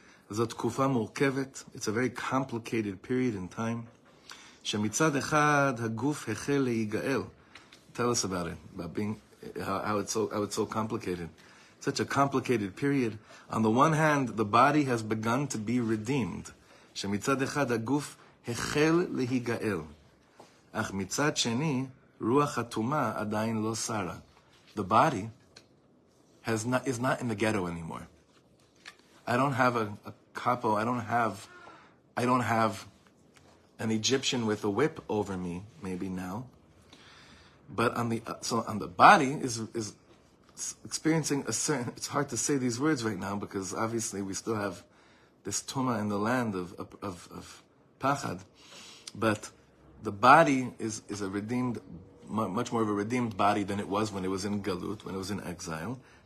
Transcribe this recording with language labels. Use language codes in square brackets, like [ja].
[he] זו תקופה מורכבת, [en] it's a very complicated period in time, [he] שמצד אחד הגוף החל להיגאל. [en] Tell us about it, about being, how it's so complicated. Such a complicated period. On the one hand, the body has begun to be redeemed. [he] שמצד אחד הגוף החל להיגאל. אך מצד שני, רוח התומה עדיין לא שרה. [en] The body is not in the ghetto anymore. I don't have a capo, I don't have an Egyptian with a whip over me, maybe now. But on the so on the body is experiencing a certain, it's hard to say these words right now because obviously we still have this tuma in the land of pachad, but the body is a redeemed, much more of a redeemed body than it was when it was in galut, when it was in exile.